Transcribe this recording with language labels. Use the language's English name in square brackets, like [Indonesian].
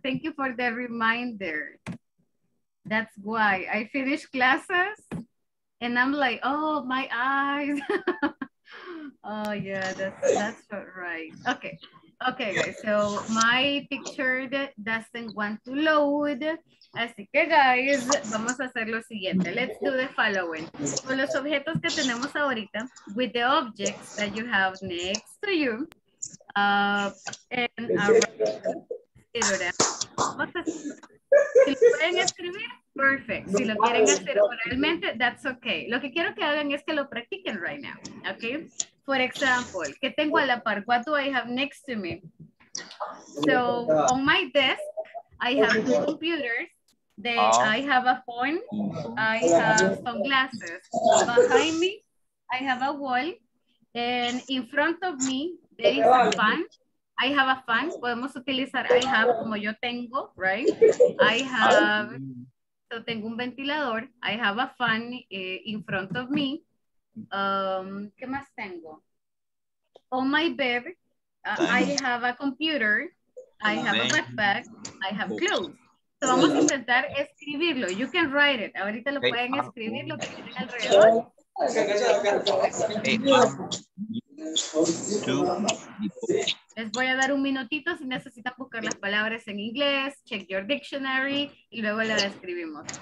[English] Thank you for the reminder. That's why I finish classes and I'm like, oh, my eyes. Oh, yeah, that's right. Okay. Okay, guys, so my picture doesn't want to load. [Spanish] Así que, guys, vamos a hacer lo siguiente. [English] Let's do the following. [Spanish] Con los objetos que tenemos ahorita, [English] with the objects that you have next to you, and around, [Spanish] vamos a hacer. Si lo pueden escribir, perfect. Si lo quieren hacer oralmente, [English] that's okay. [Spanish] Lo que quiero que hagan es que lo practiquen [English] right now, okay? [Spanish] For example, ¿qué tengo a la par? [English] What do I have next to me? So, on my desk, I have two computers. Then I have a phone. I have some glasses. Behind me, I have a wall. And in front of me, there is a fan. I have a fan. [Spanish] Podemos utilizar I have como yo tengo, right? I have, so tengo un ventilador. [English] I have a fan in front of me. [Spanish] ¿Qué más tengo? [English] On my bed, I have a computer, I have a backpack, I have clothes. [Spanish] So vamos a intentar escribirlo. [English] You can write it. [Spanish] Ahorita lo pueden escribir lo que tienen alrededor. Les voy a dar un minutito si necesitan buscar las palabras en inglés, [English] check your dictionary [Spanish] y luego la describimos.